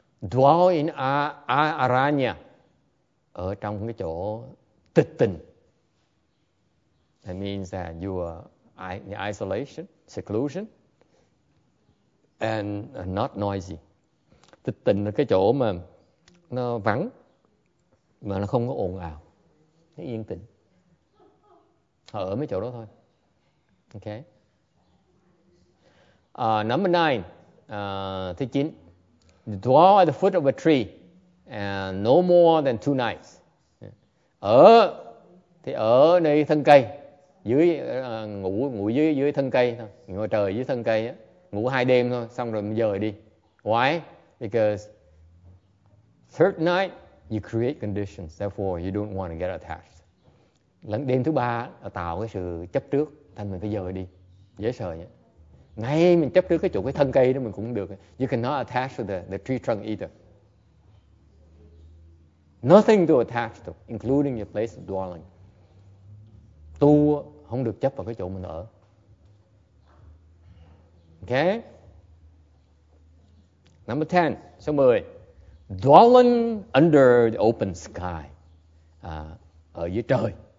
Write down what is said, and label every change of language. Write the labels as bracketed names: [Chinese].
[English] Dwell in Aranya, [Vietnamese] ở trong cái chỗ tịch tình. [English] That means that you are in isolation, seclusion, and not noisy. [Vietnamese] Tịch tình là cái chỗ mà nó vắng, mà nó không có ồn ào, nó yên tĩnh. Họ ở mấy chỗ đó thôi. Okay. [English] Number nine, [Vietnamese] thứ chín. [English] Dwell at the foot of a tree and no more than two nights. [Vietnamese] Ở thì ở nơi thân cây, dưới ngủ dưới thân cây thôi, ngồi trời dưới thân cây á, ngủ hai đêm thôi xong rồi mình dời đi. [English] Why? Because third night you create conditions, therefore you don't want to get attached. [Vietnamese] Lần đêm thứ ba là tạo cái sự chấp trước, thành mình phải dời đi. Dễ sợ nhỉ? Ngay mình chấp trước cái chỗ cái thân cây đó mình cũng được. [English] You cannot attach to the tree trunk either. Nothing to attach to, including your place of dwelling. [Vietnamese] Tu không được chấp vào cái chỗ mình ở. Okay? [English] Number 10, [Vietnamese] số 10. [English] Dwelling under the open sky. [Vietnamese] Ở dưới trời.